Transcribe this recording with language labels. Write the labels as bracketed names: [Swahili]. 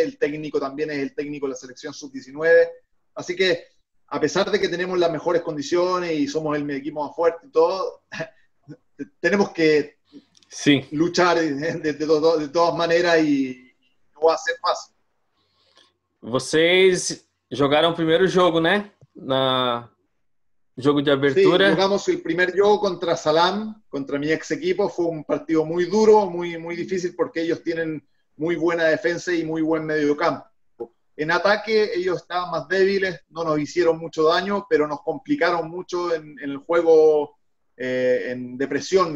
[Spanish] El técnico también es el técnico de la selección sub-19. Así que, a pesar de que tenemos las mejores condiciones y somos el equipo más fuerte y todo, tenemos que luchar de todas maneras y no va a ser fácil. [Portuguese] Vocês jogaram o primeiro jogo, né? Na jogo de abertura. [Spanish] Sí, jugamos el primer juego contra Salam, contra mi ex equipo. Fue un partido muy duro, muy, muy difícil, porque ellos tienen muy buena defensa y muy buen medio campo. En ataque ellos estaban más débiles, no nos hicieron mucho daño, pero nos complicaron mucho en el juego de presión.